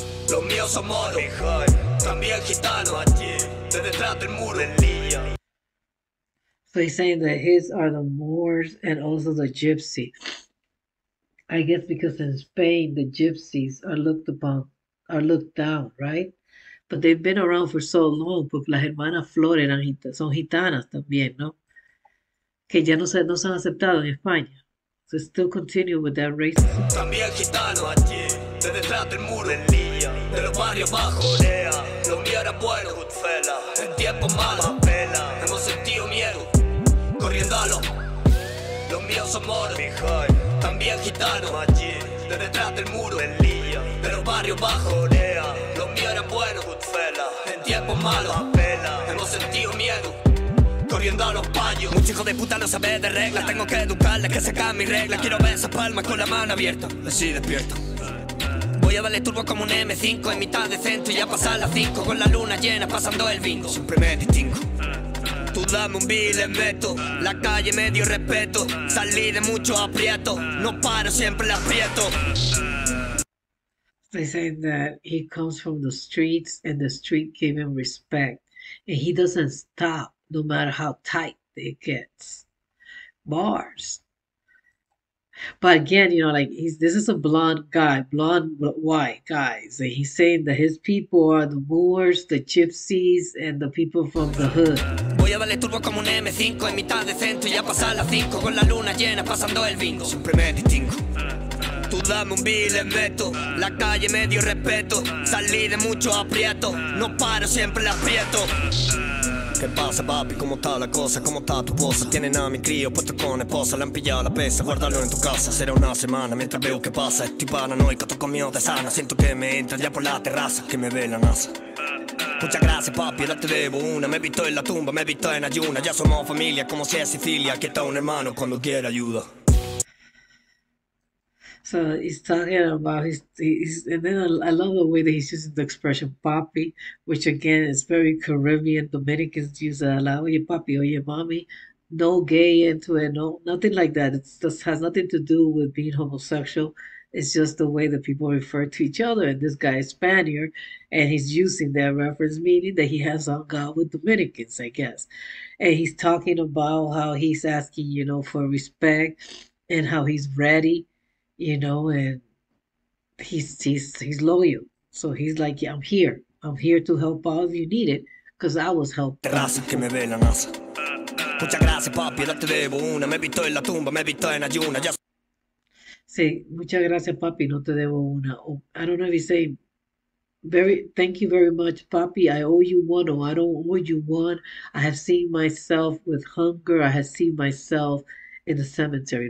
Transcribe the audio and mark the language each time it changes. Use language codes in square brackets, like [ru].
[es] Los míos son moros, también gitanos aquí, de detrás del muro. [en] So he's saying that his are the Moors and also the gypsy. I guess because in Spain, the gypsies are looked upon. Are looked down, right? But they've been around for so long, [es] porque las hermanas Flores eran gitanas, son gitanas también, ¿no? Que ya no se han aceptado en España. [en] So still continue with that racism. [es] También gitano aquí, de detrás del muro en Lía, de los barrios bajos, Corea, lo mío era bueno, Goodfella, en tiempos malos, apela, hemos sentido miedo, corriendo a los míos son moros, también gitano allí, de detrás del muro en Lía, de los barrios bajos, Corea, lo mío era bueno, Goodfella, en tiempos malos, apela, hemos sentido miedo. Corriendo a los paños, mucho hijo de puta no sabe de reglas. Tengo que educarles que sacan mis reglas. Quiero ver esas palmas con la mano abierta. Así despierto. Voy a darle turbo como un M5 en mitad de centro y ya pasar las 5 con la luna llena pasando el bingo. Siempre me distingo. Tú dame un beat, le meto. La calle me dio respeto. Salí de mucho aprieto. No paro, siempre la aprieto. [en] They say that he comes from the streets and the street gave him respect and he doesn't stop. No matter how tight it gets. Bars. But again, this is a blonde guy, blonde white guys. And he's saying that his people are the Moors, the gypsies, and the people from the hood. [es] Voy a darle turbo como un M5 en mitad de centro y ya pasar las 5 con la luna llena pasando el bingo. Siempre me distingo. Tú dame un beat, le meto. La calle me dio respeto. Salí de mucho aprieto. No paro, siempre la aprieto. ¿Qué pasa, papi? ¿Cómo está la cosa? ¿Cómo está tu esposa? Tienen a mi crío puesto con esposa. Le han pillado la pesa, guárdalo en tu casa. Será una semana mientras veo qué pasa. Estoy paranoico, toco mío de sana. Siento que me entra ya por la terraza, que me ve la NASA. Muchas gracias, papi, ahora te debo una. Me he visto en la tumba, me he visto en ayuna. Ya somos familia, como si es Sicilia. Aquí está un hermano cuando quiera ayuda. [en] So he's talking about his, and then I love the way that he's using the expression papi, which again is very Caribbean. Dominicans use a lot. [es] Oye papi, oye mami. [en] no gay into it, no, nothing like that. It just has nothing to do with being homosexual. It's just the way that people refer to each other. And this guy is Spaniard, and he's using that reference, meaning that he has hung out with Dominicans, I guess. And he's talking about how he's asking, for respect and how he's ready, and he's loyal. So he's like, yeah, I'm here. I'm here to help out if you need it, because I was helped out [es] Gracias que me [en] before. [es] ve la NASA. Muchas gracias, papi, ya te debo una. Me he visto en la tumba, me he visto en ayunas. Ya... Say, muchas gracias, papi, no te debo una. [en] Oh, I don't know if you say, very, thank you very much, papi, I owe you one, or I don't owe you one. I have seen myself with hunger. I have seen myself in the cemetery.